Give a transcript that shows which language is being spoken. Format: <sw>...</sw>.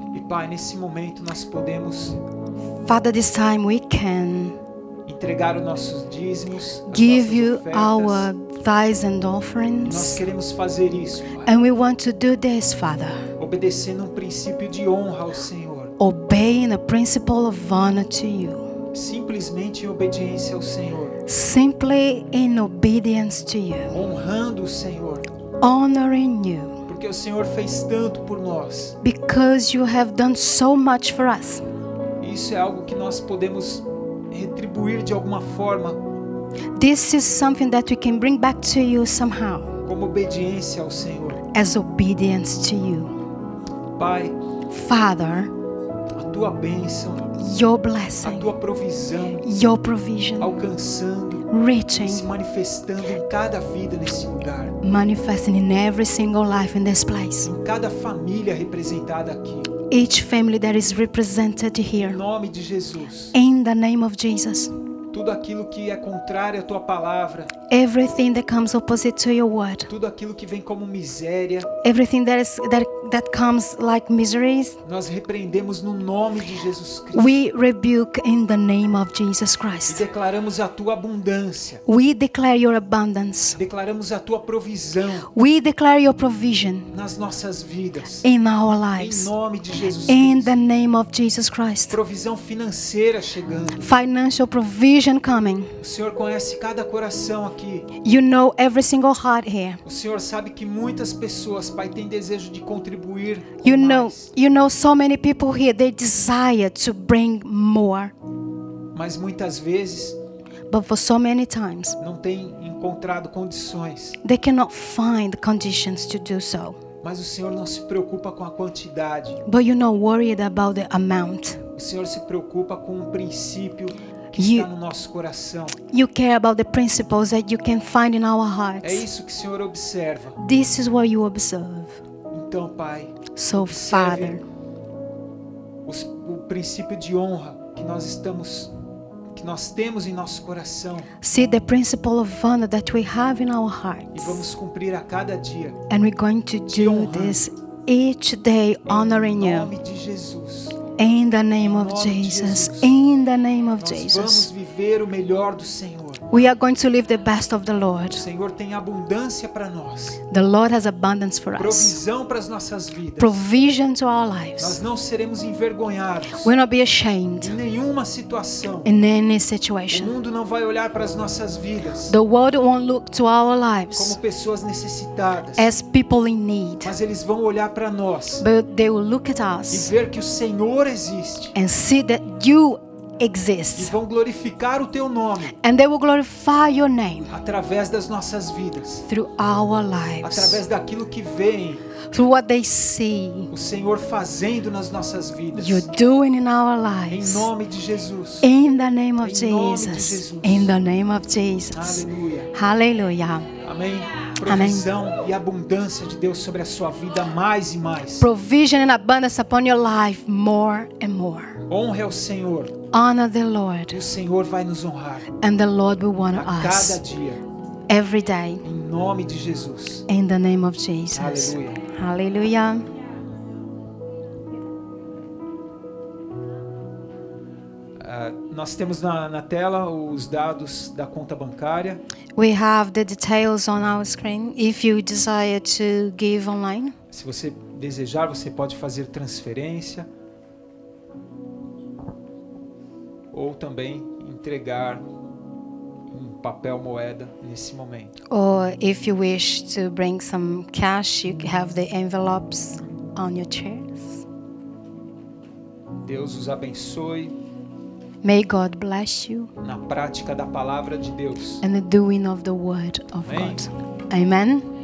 <pt>E Pai, nesse momento nós podemos.</pt> <en>Father, this time we can.</en> <pt>Entregar os nossos dízimos.</pt> <en>Give you</en> <pt>ofertas.</pt> <en>Our tithes and offerings.</en> <pt>Nós queremos fazer isso. Pai.</pt> <en>And we want to do this, Father.</en> <pt>Obedecendo um princípio de honra ao Senhor.</pt> <en>Obeying a principle of honor to you.</en> <pt>Simplesmente em obediência ao Senhor.</pt> <en>Simply in obedience to you.</en> <pt>Honrando o Senhor.</pt> <en>Honoring you.</en> <pt>Porque o Senhor fez tanto por nós.</pt> <en>Because you have done so much for us.</en> <pt>Isso é algo que nós podemos retribuir de alguma forma.</pt> <en>This is something that we can bring back to you somehow.</en> <pt>Como obediência ao Senhor.</pt> <en>As obedience to you.</en> <pt>Pai,</pt> <en>Father,</en> <pt>a tua bênção,</pt> <en>your blessing,</en> <pt>a tua provisão,</pt> <en>your provision,</en> <pt>alcançando,</pt> <en>reaching,</en> <pt>se manifestando em cada vida nesse lugar,</pt> <en>manifesting in every single life in this place,</en> <pt>em cada família representada aqui,</pt> <en>each family that is represented here,</en> <pt>em nome de Jesus,</pt> <en>in the name of Jesus,</en> <pt>tudo aquilo que é contrário à tua palavra,</pt> <en>everything that comes opposite to your word,</en> <pt>tudo aquilo que vem como miséria,</pt> <en>everything that comes like miseries,</en> <pt>nós repreendemos no nome de Jesus Cristo.</pt> <en>We rebuke in the name of Jesus Christ.</en> <pt>E declaramos a tua abundância.</pt> <en>We declare your abundance.</en> <pt>Declaramos a tua provisão.</pt> <en>We declare your provision.</en> <pt>Nas nossas vidas.</pt> <en>In our lives.</en> <pt>Em nome de Jesus</pt> <en>Cristo. In the name of Jesus Christ.</en> <pt>Provisão financeira chegando.</pt> <en>Financial provision. nation coming.</en> <pt>O Senhor conhece cada coração aqui.</pt> <en>You know every single heart here.</en> <pt>O Senhor sabe que muitas pessoas, Pai, têm desejo de contribuir.</pt> <en>You know so many people here, they desire to bring more.</en> <pt>Mas muitas vezes,</pt> <en>but for so many times,</en> <pt>não têm encontrado condições.</pt> <en>They cannot find conditions to do so.</en> <pt>Mas o Senhor não se preocupa com a quantidade.</pt> <en>But you're not worried about the amount.</en> <pt>O Senhor se preocupa com o princípio que está no nosso coração.</pt> <en>You care about the principles that you can find in our hearts.</en> <pt>É isso que o Senhor observa.</pt> <en>This is what you observe.</en> <pt>Então, Pai,</pt> <en>so, Father,</en> <pt>o princípio de honra que nós estamos, que nós temos em nosso coração.</pt> <en>See the principle of honor that we have in our hearts.</en> <pt>E vamos cumprir a cada dia.</pt> <en>And we're going to do this each day, honoring you.</en> <pt>Em nome de Jesus.</pt> <en>In the name of Jesus. In the name of Jesus.</en> <pt>Nós vamos viver o melhor do Senhor.</pt> <en>We are going to live the best of the Lord.</en> <pt>O Senhor tem abundância para nós.</pt> <en>The Lord has abundance for us.</en> <pt>Provisão para as nossas vidas.</pt> <en>Provision to our lives.</en> <pt>Nós não seremos envergonhados.</pt> <en>We'll not be ashamed.</en> <pt>Em nenhuma situação.</pt> <en>In any situation.</en> <pt>O mundo não vai olhar para as nossas vidas.</pt> <en>The world won't look to our lives.</en> <pt>Como pessoas necessitadas.</pt> <en>As people in need.</en> <pt>Mas eles vão olhar para nós.</pt> <en>But they will look at us.</en> <pt>E ver que o Senhor existe.</pt> <en>And see that you exist.</en> <pt>E vão glorificar o teu nome.</pt> <en>And they will glorify your name.</en> <pt>Através das nossas vidas.</pt> <en>Through our lives.</en> <pt>Através daquilo que vem.</pt> <en>Through what they see.</en> <pt>O Senhor fazendo nas nossas vidas.</pt> <en>You're doing in our lives.</en> <pt>Em nome de Jesus.</pt> <en>In the name of Jesus. In the name of Jesus.</en> <pt>Aleluia. Aleluia. Amém. Provisão e abundância de Deus sobre a sua vida mais e mais.</pt> <en>Provision and abundance upon your life more and more.</en> <pt>Honre ao Senhor.</pt> <en>Honor the Lord.</en> <pt>O Senhor vai nos honrar.</pt> <en>And the Lord will honor</en> <pt>a cada</pt> <en>us.</en> <pt>Cada dia.</pt> <en>Every day.</en> <pt>Em nome de Jesus.</pt> <en>In the name of Jesus.</en> <pt>Aleluia. Aleluia. Nós temos na tela os dados da conta bancária.</pt> <en>We have the details on our screen if you desire to give online.</en> <pt>Se você desejar, você pode fazer transferência. Ou também entregar um papel moeda nesse momento.</pt> <en>Or if you wish to bring some cash, you have the envelopes on your chairs.</en> <pt>Deus os abençoe.</pt> <en>May God bless you.</en> <pt>Na prática da palavra de Deus.</pt> <en>And the doing of the word of</en> <pt>Amém.</pt> <en>God. Amen.</en>